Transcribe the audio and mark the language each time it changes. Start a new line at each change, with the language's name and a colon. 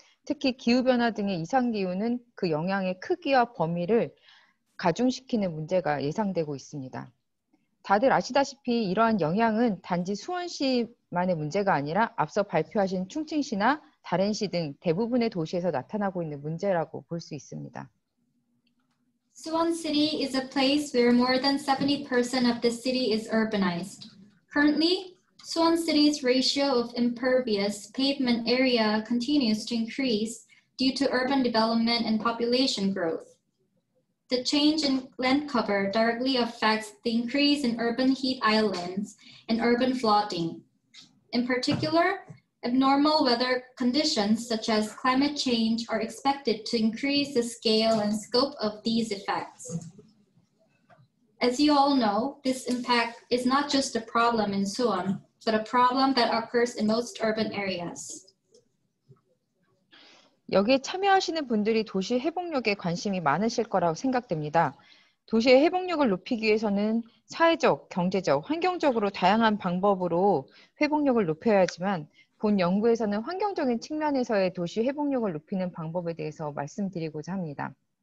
Korean: 특히 기후변화 등의 이상기후는 그 영향의 크기와 범위를 가중시키는 문제가 예상되고 있습니다. 다들 아시다시피 이러한 영향은 단지 수원시만의 문제가 아니라 앞서 발표하신 충칭시나 다른시 등 대부분의 도시에서 나타나고 있는 문제라고 볼 수 있습니다.
English: Suwon City is a place where more than 70% of the city is urbanized. Currently, Suwon City's ratio of impervious pavement area continues to increase due to urban development and population growth. The change in land cover directly affects the increase in urban heat islands and urban flooding. In particular, abnormal weather conditions such as climate change are expected to increase the scale and scope of these effects. As you all know, this impact is not just a problem in Suwon, but a problem that occurs in most urban areas.
Korean: 여기에 참여하시는 분들이 도시 회복력에 관심이 많으실 거라고 생각됩니다. 도시의 회복력을 높이기 위해서는 사회적, 경제적, 환경적으로 다양한 방법으로 회복력을 높여야 하지만 본 연구에서는 환경적인 측면에서의 도시 회복력을 높이는 방법에 대해서 말씀드리고자 합니다.